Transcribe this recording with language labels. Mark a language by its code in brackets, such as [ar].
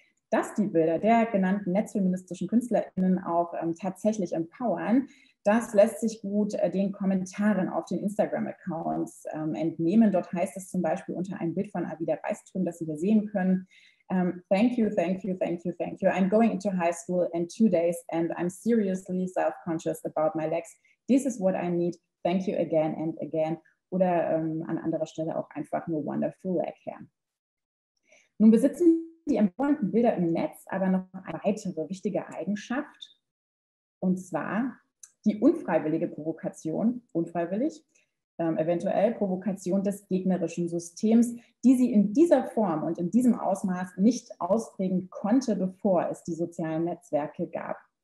[de] Dass die Bilder der genannten netzfeministischen KünstlerInnen auch tatsächlich empowern, das lässt sich gut den Kommentaren auf den Instagram-Accounts entnehmen. Dort heißt es zum Beispiel unter einem Bild von Avida Beiström, das Sie hier sehen können, [en] thank you, thank you, thank you, thank you. I'm going into high school in 2 days and I'm seriously self-conscious about my legs. This is what I need. Thank you again and again. [de] Oder an anderer Stelle auch einfach nur [en] wonderful leg hair. [de] Nun besitzen die empowernden Bilder im Netz aber noch eine weitere wichtige Eigenschaft. Und zwar die unfreiwillige Provokation, unfreiwillig, eventuell Provokation des gegnerischen Systems, die sie in dieser Form und in diesem Ausmaß nicht ausprägen konnte, bevor es die sozialen Netzwerke gab.